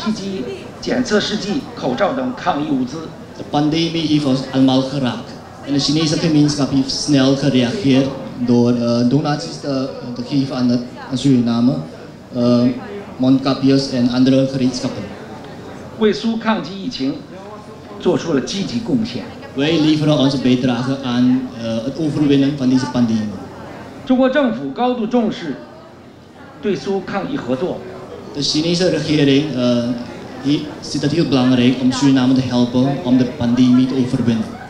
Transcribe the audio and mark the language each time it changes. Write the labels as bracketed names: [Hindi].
[Chinese] 面对突如其来的新冠肺炎疫情，苏里南华人华侨纷纷捐款捐物，多次向苏政府医疗机构捐赠呼吸机、检测试剂、口罩等抗疫物资。 [Dutch] De pandemie heeft ons allemaal geraakt en de Chinese gemeenschap heeft snel gereageerd door donaties te geven aan het Suriname, mondkapjes en andere gereedschappen. [Chinese] 为苏抗击疫情做出了积极贡献。 [Dutch] Wij leveren onze bijdrage aan het overwinnen van deze pandemie. [Chinese] 中国政府高度重视对苏抗疫合作。 [Dutch] De Chinese regering ziet het heel belangrijk om Suriname te helpen om de pandemie te overwinnen.